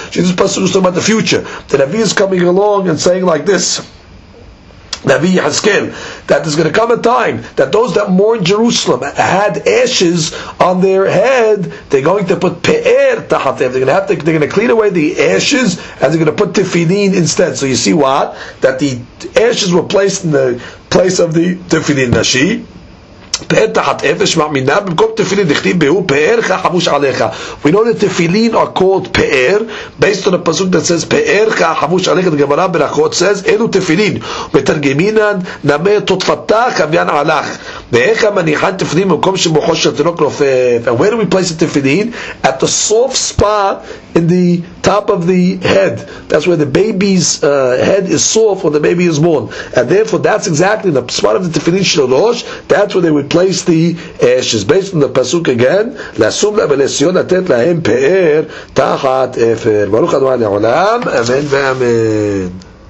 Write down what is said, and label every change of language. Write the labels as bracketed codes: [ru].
[en] Jesus pasuk is talking about the future. The Navi is coming along and saying like this, Navi Yehezkel, that there's going to come a time that those that mourn Jerusalem had ashes on their head, they're going to put pe'er tachat efer. They're going to clean away the ashes and they're going to put tefillin instead. So you see what? That the ashes were placed in the place of the tefillin nashi. [he] תחת אפש מאמינה במקום תפילין דכתיב בהו פאר כחבוש עליך. [en] We know that תפילין are called פאר based on a פסוק that says פאר כחבוש עליך. [he] גמרא ברכות says אלו תפילין מתרגמינן נמי תוטפתה כביין עלך. ואיך מניחן תפילין במקום שמוחו של תינוק נופף? [en] And where do we place the תפילין? At the soft spot in the top of the head. That's where the baby's head is soft when the baby is born. And therefore that's exactly the spot of the תפילין של הראש. That's where they would place the ashes. [he] Based on the pasuk again, לסום לה ולסיון לתת להם פאר תחת אפר. ברוך אדוני לעולם, אמן ואמן.